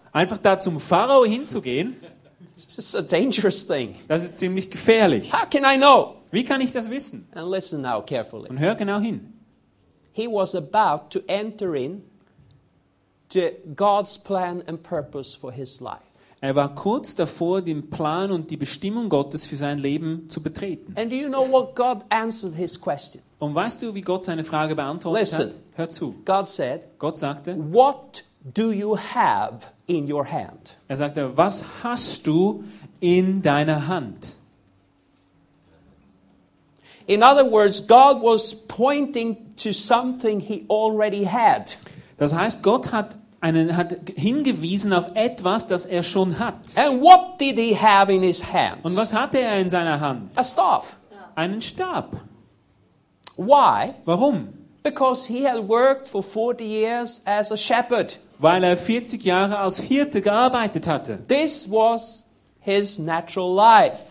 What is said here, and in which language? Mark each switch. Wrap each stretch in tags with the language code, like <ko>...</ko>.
<de>Einfach da zum Pharao hinzugehen.</de> <en>This is a dangerous thing.</en> <de>Das ist ziemlich gefährlich.</de> <en>How can I know?</en> <de>Wie kann ich das wissen?</de> <en>And listen now carefully.</en> <de>Und hör genau hin.</de> <en>He was about to enter in to God's plan and purpose for his life.</en> <de>Er war kurz davor, den Plan und die Bestimmung Gottes für sein Leben zu betreten.</de> <en>And do you know what God answered his question?</en> <de>Und weißt du, wie Gott seine Frage beantwortet</de> <en>Listen,</en> <de>hat? Hör zu.</de> <en>God said,</en> <de>Gott sagte,</de> <en>what do you have in your hand?</en> <de>Er sagte, was hast du in deiner Hand?</de> <en>In other words, God was pointing to something he already had.</en> <de>Das heißt, Gott hat hingewiesen auf etwas, das er schon hat.</de> <en>And what did he have in his hand?</en> <de>Und was hatte er in seiner Hand?</de> <en>A staff.</en> <de>Einen Stab.</de> <en>Why?</en> <de>Warum?</de> <en>Because he had worked for 40 years as a shepherd.</en> <de>Weil er 40 Jahre als Hirte gearbeitet hatte.</de> <en>This was his natural life.</en>